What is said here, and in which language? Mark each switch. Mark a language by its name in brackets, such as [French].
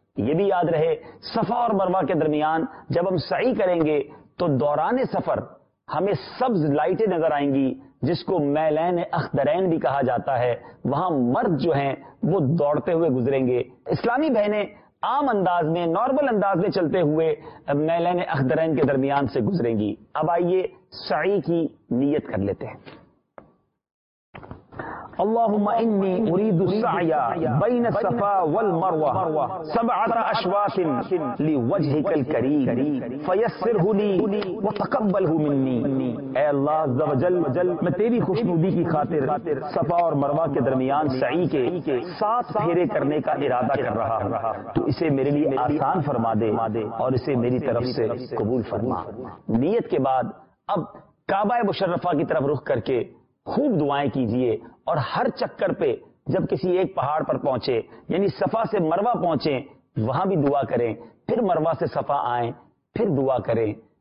[Urdu] یہ بھی یاد رہے صفا اور مروہ کے درمیان جب ہم سعی کریں گے تو دوران سفر ہمیں سبز لائٹیں نظر آئیں گی، جس کو میلین اخترین بھی کہا جاتا ہے. وہاں مرد جو ہیں وہ دوڑتے ہوئے گزریں گے. اسلامی بہنیں عام انداز میں، نارمل انداز میں چلتے ہوئے میلین اخترین کے درمیان سے گزریں گی. اب آئیے سعی کی نیت کر لیتے ہیں. [Arabic] اللهم اني اريد السعي بين الصفا والمروه سبعه اشواط لوجهك الكريم فيسره لي وتقبله مني. [Urdu] اے اللہ عز و جل، میں تیری خوشنودی کی خاطر صفا اور مروہ کے درمیان سعی کے سات پھیرے کرنے کا ارادہ کر رہا ہوں، تو اسے میرے لیے آسان فرما دے اور اسے میری طرف سے قبول فرما. نیت کے بعد اب کعبہ مشرفہ کی طرف رخ کر کے خوب دعائیں کیجئے، اور ہر چکر پہ جب کسی ایک پہاڑ پر پہنچے، یعنی صفا سے مروہ پہنچیں، وہاں بھی دعا کریں، پھر مروہ سے صفا آئیں، پھر دعا کریں.